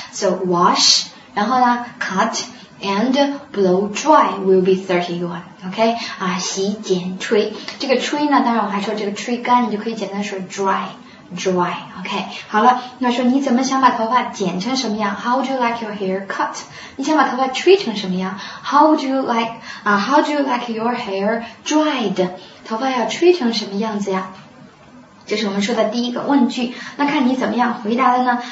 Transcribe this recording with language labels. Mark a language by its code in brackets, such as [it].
[en] So wash, [zh] 然后呢 [en] cut, and blow dry will be 31, OK? [zh] 啊洗剪吹。这个吹呢当然我还说这个吹干你就可以简单说 dry, [en] dry. [zh] OK， 好了，那说你怎么想把头发剪成什么样？ [en] How would you like your hair cut? [zh] 你想把头发吹成什么样？ [en] How would you like,how do you like your hair dried? [zh] 头发要吹成什么样子呀？这是我们说的第一个问句，那看你怎么样回答的呢？